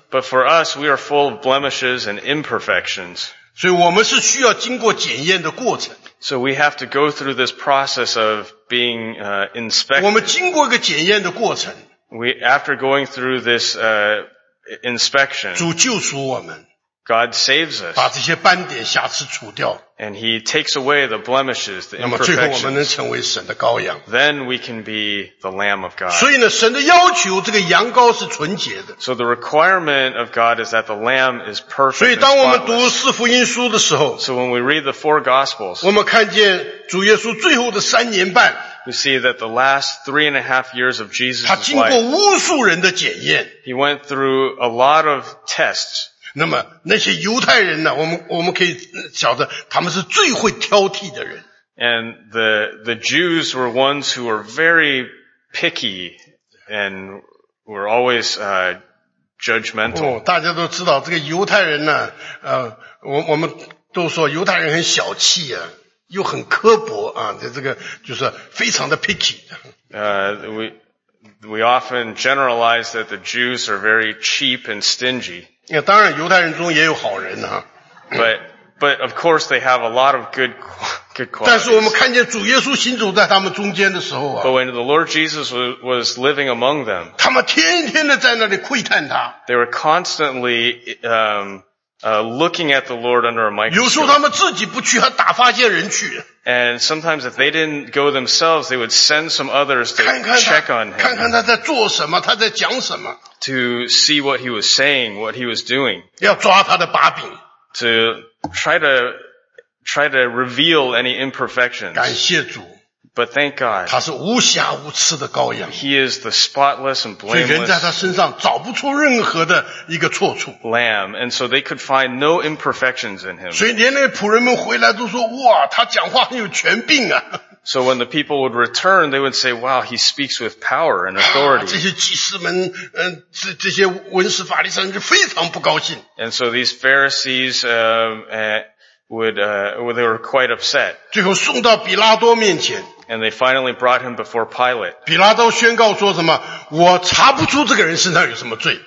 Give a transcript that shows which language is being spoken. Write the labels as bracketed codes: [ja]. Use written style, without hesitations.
[en] But for us, we are full of blemishes and imperfections. [zh] 所以我们是需要经过检验的过程。 [en] So we have to go through this process of being inspected. [zh] 我们经过一个检验的过程。 [en] We, after going through this inspection, [zh] 主救赎我们。 [en] God saves us. [zh] 把这些斑点瑕疵除掉。 [en] And he takes away the blemishes, the imperfections. Then we can be the Lamb of God. [zh] 所以呢, 神的要求, [en] so the requirement of God is that the Lamb is perfect. [zh] 所以当我们读四福音书的时候, [en] so when we read the four Gospels, [zh] 我们看见主耶稣最后的三年半, [en] we see that the last 3.5 years of Jesus' [zh] 他经过无数人的检验, [en] life, he went through a lot of tests. [zh] 那么那些犹太人呢, 我们可以晓得他们是最会挑剔的人。 [en] And the Jews were ones who were very picky and were always judgmental. [zh] 大家都知道这个犹太人呢, 我们都说犹太人很小气啊, 又很刻薄啊, 这个就是非常的 picky。 [en] We often generalize that the Jews are very cheap and stingy. [zh] 当然犹太人中也有好人啊。 [en] But of course they have a lot of good qualities. [zh] 但是我们看见主耶稣行走在他们中间的时候啊。 [en] But when the Lord Jesus was living among them, [zh] 他们天天的在那里窥探他。 [en] They were constantly looking at the Lord under a microscope. [zh] 有时候他们自己不去还打发些人去。 [en] And sometimes if they didn't go themselves, they would send some others to [zh] 看看他, [en] check on him. [zh] 看看他在做什么, 他在讲什么。 [en] To see what he was saying, what he was doing. [zh] 要抓他的把柄, [en] to try to reveal any imperfections. [zh] 感谢主, [en] but thank God. [zh] 他是无瑕无疵的羔羊, [en] he is the spotless and blameless lamb. And so they could find no imperfections in him. [zh] 所以连那仆人们回来都说, 哇, 他讲话很有权柄啊。 [en] So when the people would return, they would say, wow, he speaks with power and authority. [zh] 这些祭司们, 这些文士法利赛人就非常不高兴。 [en] And so these Pharisees, they were quite upset. [zh] 最后送到比拉多面前。 [en] And they finally brought him before Pilate. [zh] 比拉多宣告说什么, 我查不出这个人身上有什么罪。